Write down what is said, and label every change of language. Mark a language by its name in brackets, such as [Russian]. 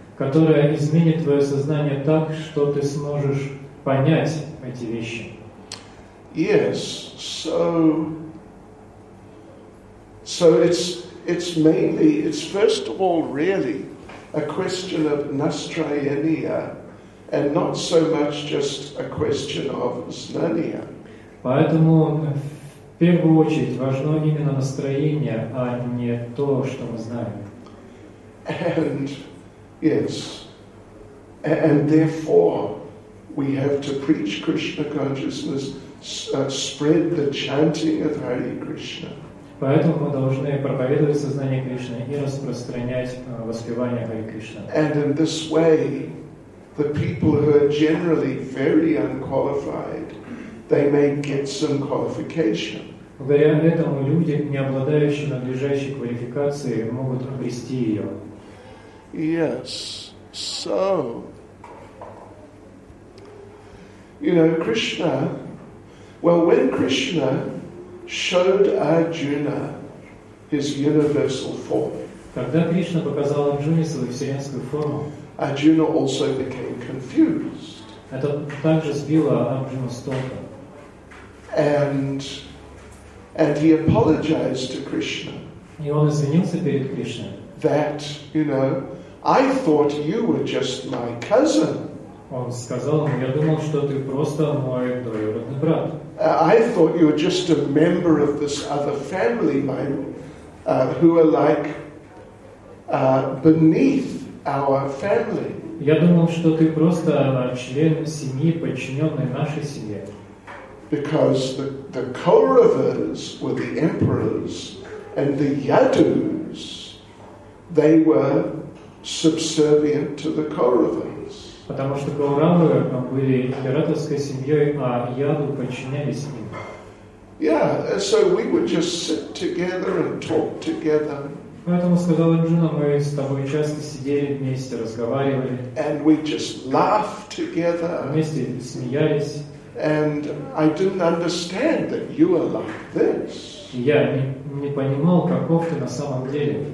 [Russian] Которая изменит твое сознание так, что ты сможешь понять эти вещи. [English] Yes, so it's mainly, it's first of all really a question of настроение and not so much just a question of знание. [Russian] Поэтому в первую очередь важно именно настроение, а не то, что мы знаем. [English] And yes, and therefore we have to preach Krishna consciousness, spread the chanting of Hare Krishna. [Russian] Поэтому мы должны проповедовать сознание Кришны и распространять воспевание Хари Кришны. [English] And in this way, the people who are generally very unqualified, they may get some qualification. [Russian] Благодаря этому люди, не обладающие надлежащей квалификацией, могут обрести ее. [English] Yes, so, you know, Krishna. Well, when Krishna showed Arjuna his universal form, [Russian] когда Кришна показал Арджуне свою вселенскую форму, [English] Arjuna also became confused. [Russian] Это также сбило Арджуну с толку. [English] And he apologized to Krishna. [Russian] И он извинился перед Кришной. [English] That, you know, I thought you were just my cousin. [Russian] Он сказал ему, я думал, что ты просто мой двоюродный брат. [English] I thought you were just a member of this other family, who are like beneath our family. [Russian] Я думал, что ты просто член семьи, подчиненный нашей семье. [English] Because the Kauravas were the emperors, and the Yadus, they were subservient to the Kauravas. [Russian] Потому что Кауравы были императорской семьей, а Яду подчинялись им. [English] Yeah, so we would just sit together and talk together. [Russian] Поэтому сказал Арджуна, мы с тобой часто сидели вместе, разговаривали. [English] And we just laughed together. [Russian] Вместе смеялись. [English] And I didn't understand that you are like this. [Russian] Я не понимал, каков ты на самом деле.